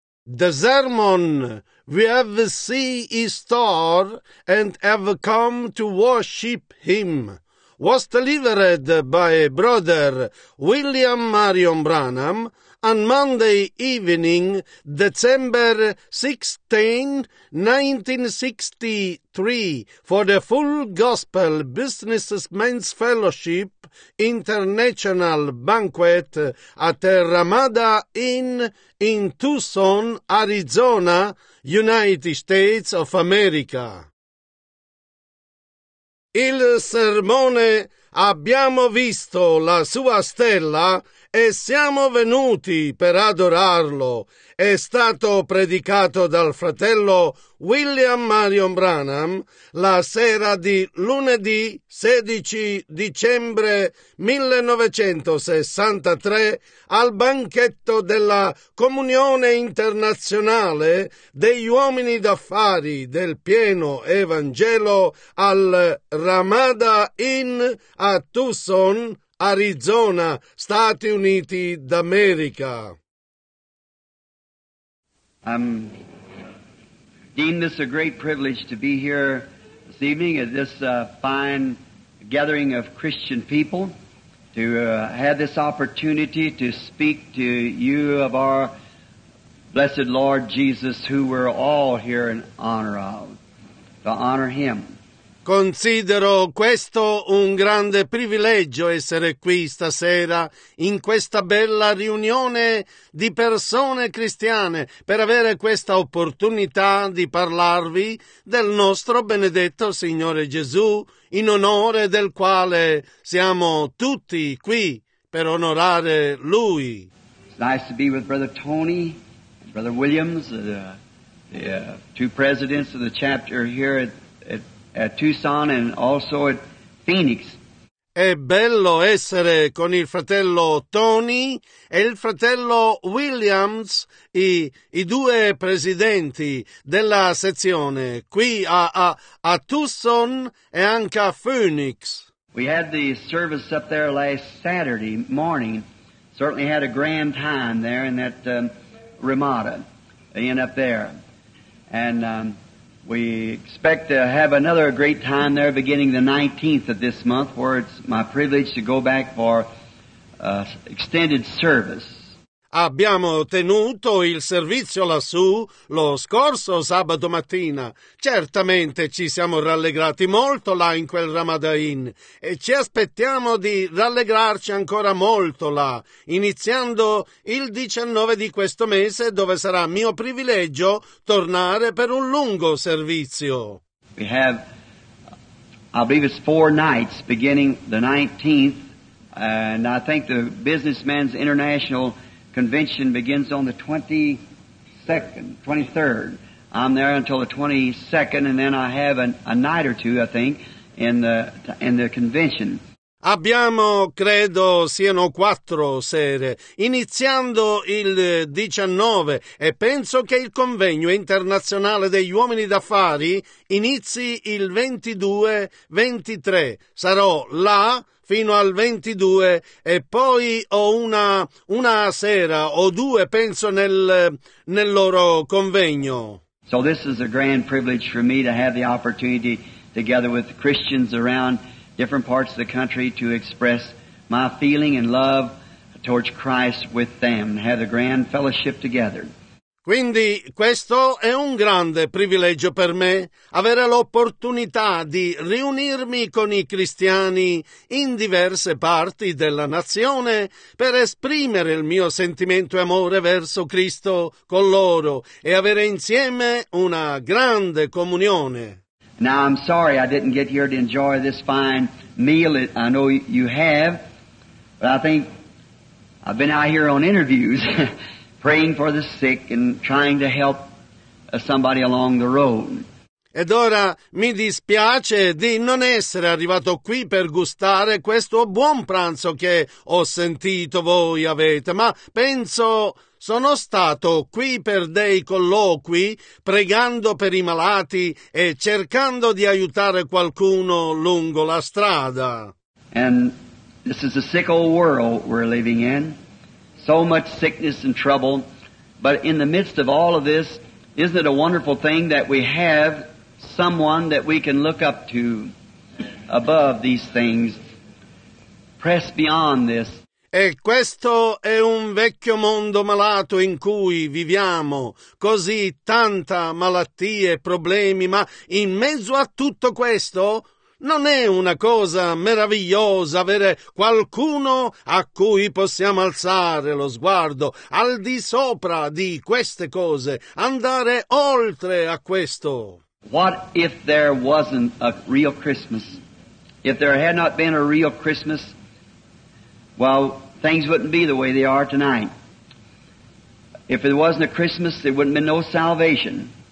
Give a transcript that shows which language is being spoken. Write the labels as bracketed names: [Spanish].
[English] The sermon, we have seen his star and have come to worship him, was delivered by Brother William Marion Branham on Monday evening, December 16, 1963, for the Full Gospel Businessmen's Fellowship International Banquet at Ramada Inn in Tucson, Arizona, United States of America. [Italian] Il sermone «Abbiamo visto la sua stella e siamo venuti per adorarlo» è stato predicato dal fratello William Marion Branham la sera di lunedì 16 dicembre 1963 al banchetto della Comunione Internazionale degli Uomini d'Affari del Pieno Evangelo al Ramada Inn a Tucson, Arizona, Stati Uniti d'America. [English] Dean, this is a great privilege to be here this evening at this fine gathering of Christian people to have this opportunity to speak to you of our blessed Lord Jesus, who we're all here in honor of, to honor Him. [Italian] Considero questo un grande privilegio essere qui stasera in questa bella riunione di persone cristiane per avere questa opportunità di parlarvi del nostro benedetto Signore Gesù, in onore del quale siamo tutti qui per onorare Lui. [English] It's nice to be with Brother Tony, Brother Williams, the two presidents of the chapter here at Tucson and also at Phoenix. [Italian] È bello essere con il fratello Tony e il fratello Williams, i due presidenti della sezione qui a Tucson e anche a Phoenix. [English] We had the service up there last Saturday morning. Certainly had a grand time there in that Ramada Inn up there. And we expect to have another great time there beginning the 19th of this month, where it's my privilege to go back for extended service. [Italian] Abbiamo tenuto il servizio lassù lo scorso sabato mattina. Certamente ci siamo rallegrati molto là in quel Ramada Inn e ci aspettiamo di rallegrarci ancora molto là, iniziando il 19 di questo mese, dove sarà mio privilegio tornare per un lungo servizio. [English] We have, I believe it's four nights beginning the 19th, and I think the Businessmen's International Convention begins on the 23rd. I'm there until the 22nd, and then I have a night or two, I think, in the convention. [Italian] Abbiamo, credo, siano quattro sere, iniziando il 19, e penso che il convegno internazionale degli uomini d'affari inizi il 22-23. Sarò là fino al 22, e poi ho una sera o due, penso, nel loro convegno. [English] So this is a grand privilege for me to have the opportunity together with Christians around different parts of the country to express my feeling and love towards Christ with them and have a grand fellowship together. [Italian] Quindi questo è un grande privilegio per me, avere l'opportunità di riunirmi con i cristiani in diverse parti della nazione per esprimere il mio sentimento e amore verso Cristo con loro e avere insieme una grande comunione. [English] Now I'm sorry I didn't get here to enjoy this fine meal I know you have, but I think I've been out here on interviews praying for the sick and trying to help somebody along the road. [Italian] Ed ora mi dispiace di non essere arrivato qui per gustare questo buon pranzo che ho sentito voi avete, ma penso sono stato qui per dei colloqui pregando per i malati e cercando di aiutare qualcuno lungo la strada. [English] And this is a sick old world we're living in. So much sickness and trouble But in the midst of all of this, isn't it a wonderful thing that we have someone that we can look up to above these things, press beyond this? [Italian] E questo è un vecchio mondo malato in cui viviamo, così tanta malattia e problemi, ma in mezzo a tutto questo non è una cosa meravigliosa avere qualcuno a cui possiamo alzare lo sguardo al di sopra di queste cose, andare oltre a questo. [English] What if there wasn't a real Christmas? If there had not been a real Christmas, well, things wouldn't be the way they are tonight. If there wasn't a Christmas, there wouldn't be no salvation.